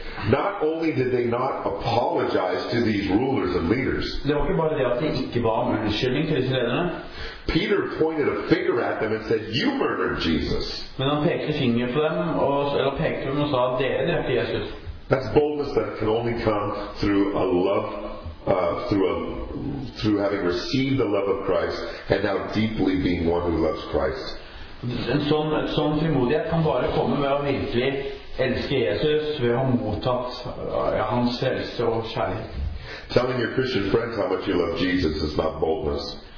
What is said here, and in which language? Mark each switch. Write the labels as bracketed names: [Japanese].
[English] Not only did they not apologize to these rulers and leaders, Peter pointed a finger at them and said, "You murdered Jesus." That's boldness that can only come through a love, through having received the love of Christ and now deeply being one who loves Christ. [Norwegian] En sån frimodighet kan bare komme ved å virkelig elske Jesus, ved å ha mottatt hans helse og kjærlighet. [English] Telling your Christian friends how much you love Jesus is not boldness.